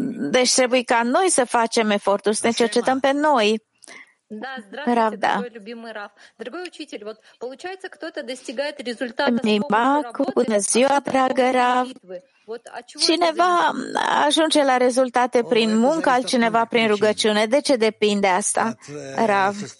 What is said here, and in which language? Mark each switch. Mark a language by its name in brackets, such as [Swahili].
[Romanian] Deci trebuie ca noi să facem eforturi, să ne cercetăm pe noi. [Russian] Правда. Дорогой учитель, вот получается, кто-то достигает результата. [Romanian] Мимаку, bună ziua, dragă Rav. Cineva ajunge la rezultate prin muncă, altcineva prin rugăciune. De ce depinde asta, Rav?